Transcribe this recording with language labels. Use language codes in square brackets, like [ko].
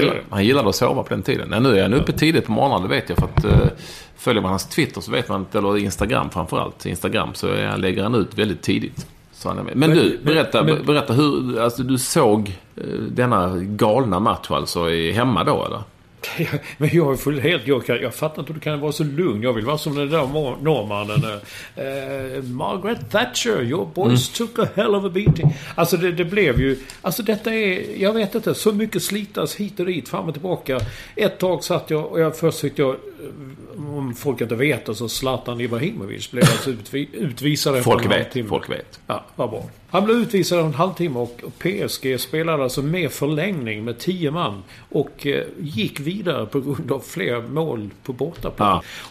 [sv] Han gillade att sova på den tiden. Nej, nu är han uppe tidigt på morgonen, det vet jag, för att följer man hans Twitter så vet man, eller Instagram framförallt, Instagram, så lägger han ut väldigt tidigt. Men berätta hur, alltså, du såg denna galna match alltså hemma då, eller? Men jag är full helt jokad. Jag fattar inte hur du kan vara så lugn. Jag vill vara som den där norrmannen. [en] Margaret Thatcher, your boys took a hell of a beating. [sv] Alltså det blev ju, alltså detta är, jag vet inte, så mycket slitas hit och dit, fram och tillbaka. Ett tag satt jag och jag försökte, om folk inte vet, så Zlatan Ibrahimovic blev alltså utvisad. Folk vet. Ja, vad bra. Han blev utvisad en halvtimme och PSG spelade alltså med förlängning med 10 man och gick vidare på grund av fler mål på bortaplan. Ja.